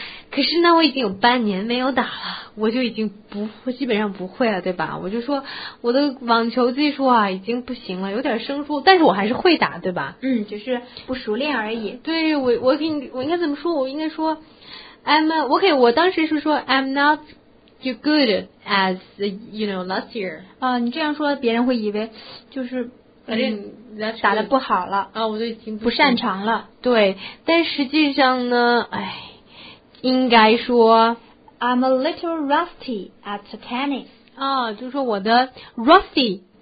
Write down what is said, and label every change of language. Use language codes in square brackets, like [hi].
[zh] 可是呢，我已经有半年没有打了，我就已经不，我基本上不会了，对吧？我就说我的网球技术啊，已经不行了，有点生疏，但是我还是会打，对吧？嗯，就是不熟练而已。对，我给你，我应该怎么说？我应该说， [en] I'm okay. [zh] 我当时是说 [en] I'm not too good as you know last year. [zh] 啊，你这样说，别人会以为就是打得不好了啊，我都已经不擅长了。对，但实际上呢，哎，应该说 [en] I'm a little rusty at tennis. [zh] 啊，就是说我的 rusty。